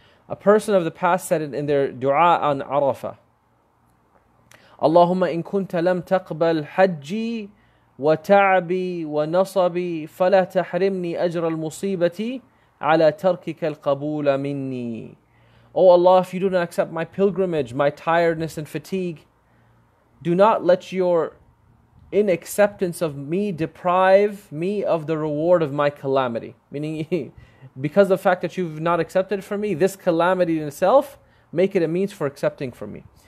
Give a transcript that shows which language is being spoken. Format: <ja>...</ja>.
<en>A person of the past said it in their dua on Arafah.</en> <ar>اللهم إن كنت لم تقبل حجي وتعبي ونصبي فلا تحرمني أجر المصيبة على تركك القبول مني.</ar> <en>O Allah, if you do not accept my pilgrimage, my tiredness and fatigue, do not let your in acceptance of me deprive me of the reward of my calamity. Meaning, because of the fact that you've not accepted from me, this calamity in itself, make it a means for accepting from me.</en>